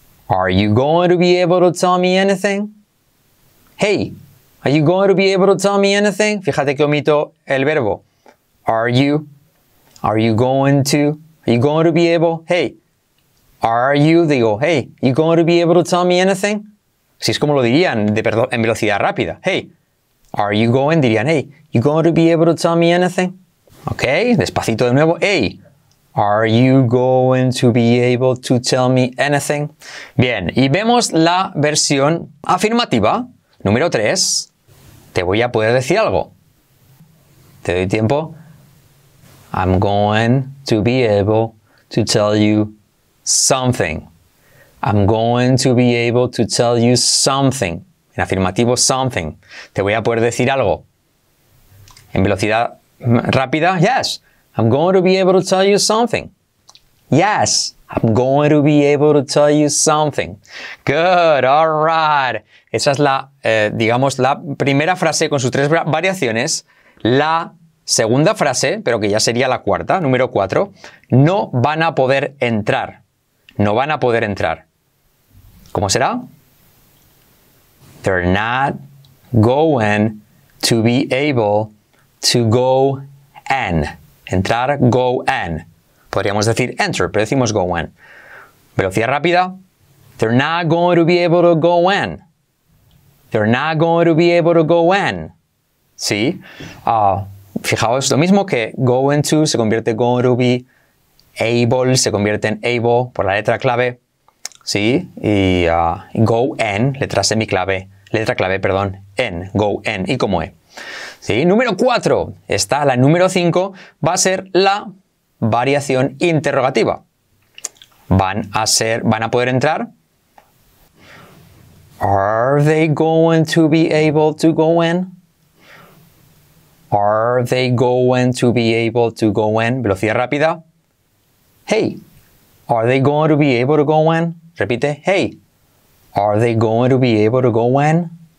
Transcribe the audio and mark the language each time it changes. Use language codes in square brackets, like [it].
[en] Are you going to be able to tell me anything? Hey, are you going to be able to tell me anything? [es] Fíjate que omito el verbo. [en] Are you? Are you going to? Are you going to be able? Hey. Are you, [es] digo, [en] hey, you going to be able to tell me anything? [es] Si es como lo dirían, en velocidad rápida. [en] Hey, are you going, [es] dirían, [en] hey, you going to be able to tell me anything? Ok, [es] despacito de nuevo, [en] hey, are you going to be able to tell me anything? [es] Bien, y vemos la versión afirmativa, número 3. Te voy a poder decir algo. Te doy tiempo. [en] I'm going to be able to tell you something. I'm going to be able to tell you something. [es] En afirmativo, something. Te voy a poder decir algo. En velocidad rápida, yes. [en] I'm going to be able to tell you something. Yes. I'm going to be able to tell you something. Good. All right. [es] Esa es la, digamos, la primera frase con sus tres variaciones. La segunda frase, pero que ya sería la cuarta, número 4. No van a poder entrar. No van a poder entrar. ¿Cómo será? [en] They're not going to be able to go in. [es] Entrar, go in. Podríamos decir enter, pero decimos go in. Velocidad rápida. [en] They're not going to be able to go in. They're not going to be able to go in. [es] ¿Sí? Fijaos, lo mismo que going to se convierte en going to be. Able se convierte en able por la letra clave, ¿sí? Y go en, letra semiclave, letra clave, perdón, en, go en, y como e. ¿Sí? Número 4, está la número 5, va a ser la variación interrogativa. ¿Van a poder entrar? [en] Are they going to be able to go in? Are they going to be able to go in? [es] Velocidad rápida. [en] Hey, are they going to be able to go in? [es] Repite, [en] hey, are they going to be able to go when?